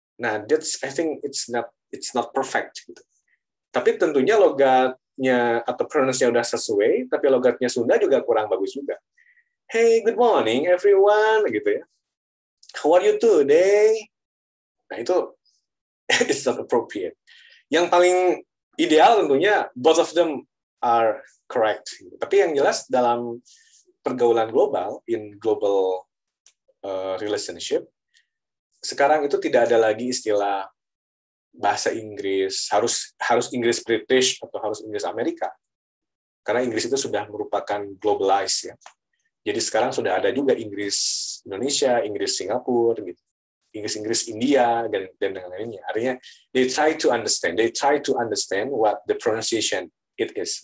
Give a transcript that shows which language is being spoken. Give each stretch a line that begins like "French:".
English: Nah, that's I think it's not perfect gitu.
Indonesian: Tapi tentunya logatnya atau pronounce-nya udah sesuai, tapi logatnya Sunda juga kurang bagus juga.
English: Hey, good morning everyone, gitu ya. How are you today? Nah, itu it's not appropriate.
Indonesian: Yang paling ideal tentunya
English: both of them are correct.
Indonesian: Tapi yang jelas dalam pergaulan global,
English: in global relationship,
Indonesian: sekarang itu tidak ada lagi istilah bahasa Inggris harus Inggris British atau harus Inggris Amerika. Karena Inggris itu sudah merupakan globalized, ya. Jadi sekarang sudah ada juga Inggris Indonesia, Inggris Singapura, gitu. Inggris-Inggris India, dan lain-lainnya.
English: Artinya, they try to understand what the pronunciation it is.